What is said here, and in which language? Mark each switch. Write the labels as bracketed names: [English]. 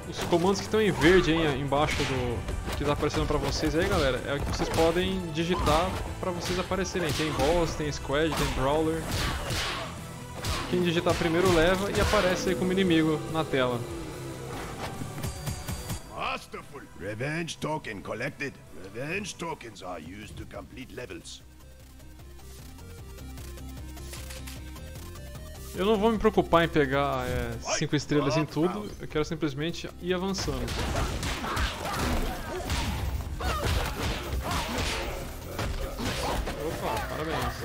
[Portuguese] Comandos que estão em verde, hein, embaixo do que está aparecendo para vocês aí, galera, é o que vocês podem digitar para vocês aparecerem. Tem boss, tem squad, tem brawler. Quem digitar primeiro leva e aparece aí como inimigo na tela. [English] Masterful. Revenge token collected. Revenge tokens are used to complete levels. [Portuguese] Eu não vou me preocupar em pegar 5 estrelas em tudo, eu quero simplesmente ir avançando. Opa, parabéns.